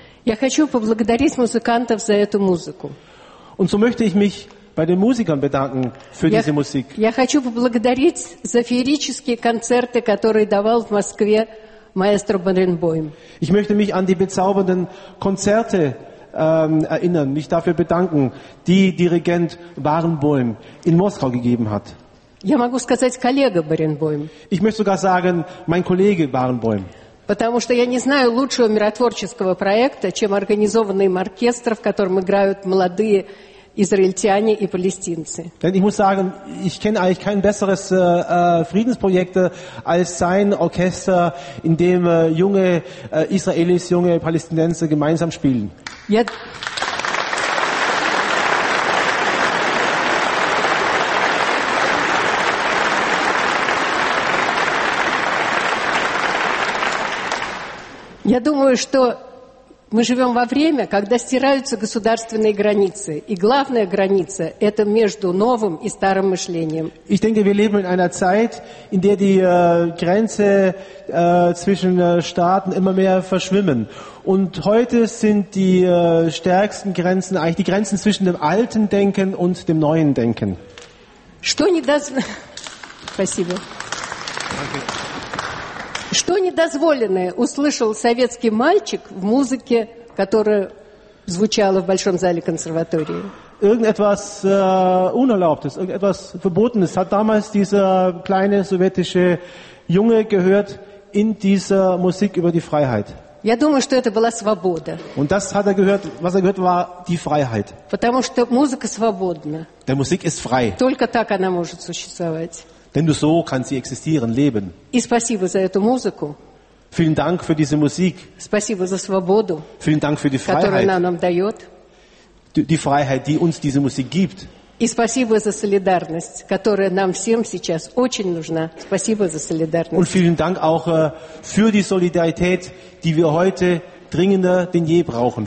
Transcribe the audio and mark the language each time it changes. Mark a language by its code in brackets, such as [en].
[ru] Я хочу поблагодарить музыкантов за эту музыку. [de] Und so möchte ich mich bei den Musikern bedanken für diese Musik. [ru] Я хочу поблагодарить за феерические концерты, которые давал в Москве маэстро Баренбойм. [de] Ich möchte mich an die bezaubernden Konzerte erinnern, mich dafür bedanken, die Dirigent Баренбойм in Moskau gegeben hat. [ru] Я могу сказать коллега Баренбойм. [de] Ich möchte sogar sagen, mein Kollege Баренбойм. [ru] Потому что я не знаю лучшего миротворческого проекта, чем организованный им оркестр, в котором играют молодые Израильтяне и палестинцы. [de] Denn ich muss sagen, ich kenne eigentlich kein besseres Friedensprojekt als sein Orchester, in dem junge Israelis, junge Palästinenser gemeinsam spielen. [ru] Я Я думаю, что мы живем во время, когда стираются государственные границы. И главная граница – это между новым и старым мышлением. [de] Ich denke, wir leben in einer Zeit, in der die Grenze zwischen Staaten immer mehr verschwimmen. Und heute sind die stärksten Grenzen eigentlich die Grenzen zwischen dem alten Denken und dem neuen Denken. [ru] Что не даст... Спасибо. [de] Danke. [ru] Что недозволенное услышал советский мальчик в музыке, которая звучала в Большом зале консерватории? [de] Irgendetwas Unerlaubtes, irgendetwas Verbotenes hat damals dieser kleine sowjetische Junge gehört in dieser Musik über die Freiheit. [ru] Я думаю, что это была свобода. [de] Und das hat er gehört, was er gehört, war die Freiheit. [ru] Потому что музыка свободна. [de] Der Musik ist frei. [ru] Только так она может существовать. [de] Denn nur so kann sie existieren, leben. [ru] И спасибо за эту музыку. [de] Vielen Dank für diese Musik. [ru] Спасибо за свободу. [de] Vielen Dank für die Freiheit. [ru] Которую она нам дает. [de] Die Freiheit, die uns diese Musik gibt. [ru] И спасибо за солидарность, которая нам всем сейчас очень нужна. Спасибо за солидарность. [de] Und vielen Dank auch für die Solidarität, die wir heute dringender denn je brauchen.